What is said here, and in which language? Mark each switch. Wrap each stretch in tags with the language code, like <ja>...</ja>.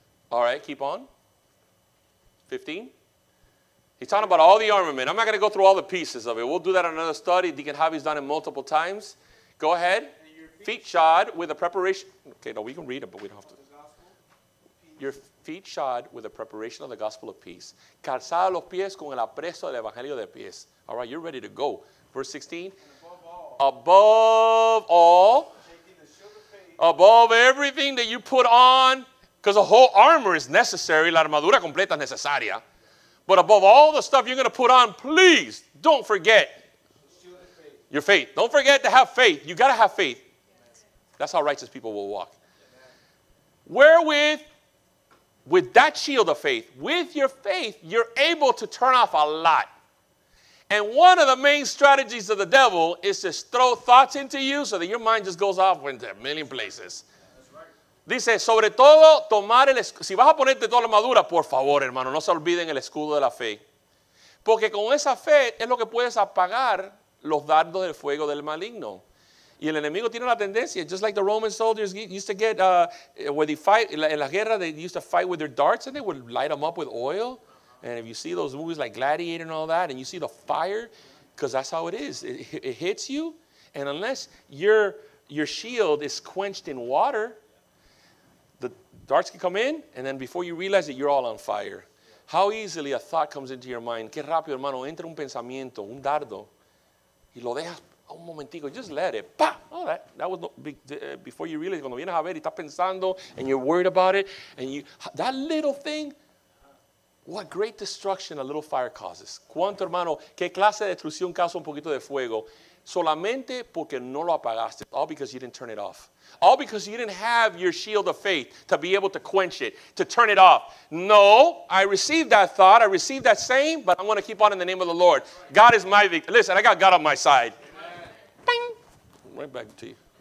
<en>All right, keep on. 15. He's talking about all the armament. I'm not going to go through all the pieces of it. We'll do that in another study. Deacon Javi's done it multiple times. Go ahead. Feet shod with a preparation. Okay, no, we can read it, but we don't have to. Your feet shod with a preparation of the gospel of peace.</en> <es>Calzada los pies con el apresto del evangelio de peace.</es> <en>All right, you're ready to go. Verse 16. Above all. Above everything that you put on. Because the whole armor is necessary.</en> <es>La armadura completa es necesaria.</es> <en>But above all the stuff you're going to put on, please don't forget your faith. Don't forget to have faith. You got to have faith. That's how righteous people will walk. Wherewith, with that shield of faith, with your faith, you're able to turn off a lot. And one of the main strategies of the devil is to throw thoughts into you so that your mind just goes off into a million places.</en> <es>Dice, sobre todo, tomar el escudo. Si vas a ponerte toda la armadura, por favor, hermano, no se olviden el escudo de la fe. Porque con esa fe es lo que puedes apagar los dardos del fuego del maligno. Y el enemigo tiene la tendencia,</es> <en>just like the Roman soldiers used to get, where they fight,</en> <es>en la guerra,</es> <en>they used to fight with their darts and they would light them up with oil. And if you see those movies like Gladiator and all that, and you see the fire, because that's how it is. It hits you, and unless your shield is quenched in water, darts can come in, and then before you realize it, you're all on fire. How easily a thought comes into your mind.</en> <es>Qué rápido, hermano, entra un pensamiento, un dardo, y lo dejas un momentico.</es> <en>Just let it. Pa! All right. That was before you realize.</en> <es>Cuando vienes a ver, y estás pensando,</es> <en>and you're worried about it, and you that little thing. What great destruction a little fire causes.</en> <es>Cuánto, hermano, qué clase de destrucción causa un poquito de fuego. Solamente porque no lo apagaste.</es> <en>All because you didn't turn it off. All because you didn't have your shield of faith to be able to quench it, to turn it off. No, I received that thought. I received that same, but I'm going to keep on in the name of the Lord. God is my victory. Listen, I got God on my side. Bing. Right back to you.</en>